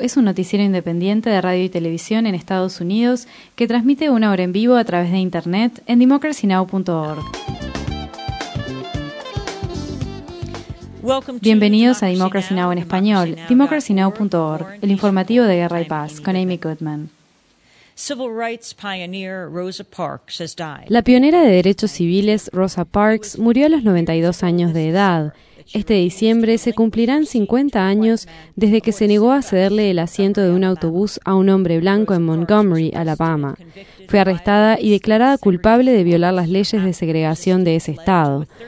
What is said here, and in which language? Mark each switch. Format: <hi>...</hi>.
<es>Es un noticiero independiente de radio y televisión en Estados Unidos que transmite una hora en vivo a través de Internet en democracynow.org. Bienvenidos a Democracy Now! En español, democracynow.org, el informativo de Guerra y Paz, con Amy Goodman.</es> <en>Civil rights pioneer Rosa Parks has died.</en> <es>La pionera de derechos civiles, Rosa Parks, murió a los 92 años de edad. Este diciembre se cumplirán 50 años desde que se negó a cederle el asiento de un autobús a un hombre blanco en Montgomery, Alabama. Fue arrestada y declarada culpable de violar las leyes de segregación de ese estado.</es>